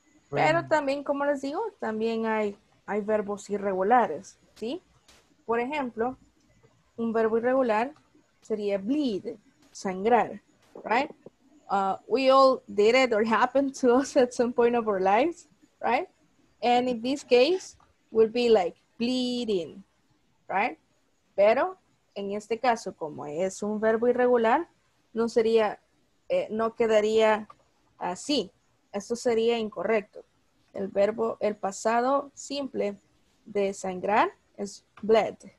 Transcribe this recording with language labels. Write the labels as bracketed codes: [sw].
[es] Pero también, como les digo, también hay verbos irregulares, ¿sí? Por ejemplo, un verbo irregular sería bleed, sangrar, [en] right? We all did it or happened to us at some point of our lives, right? And in this case, would be like bleeding, right? [es] Pero en este caso, como es un verbo irregular, no sería, no quedaría así. Esto sería incorrecto. El verbo, el pasado simple de sangrar es bled.